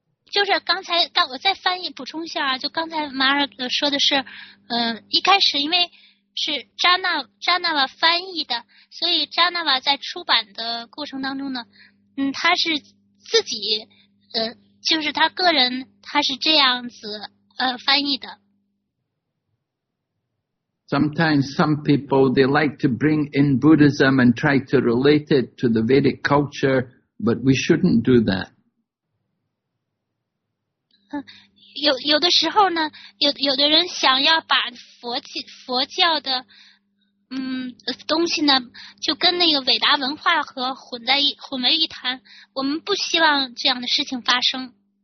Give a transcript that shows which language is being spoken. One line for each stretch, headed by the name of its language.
Chinese: 就是刚才我再翻译补充一下啊，就刚才马尔说的是一开始因为是扎纳瓦翻译的，所以扎纳瓦在出版的过程当中呢，他是自己就是他个人他是这样子翻译的。
English: Sometimes some people, they like to bring in Buddhism and try to relate it to the Vedic culture, but we shouldn't do that.
Chinese: 有的时候呢 有的人想要把佛教的东西呢就跟那个伟大文化和混为一谈，我们不希望这样的事情发生。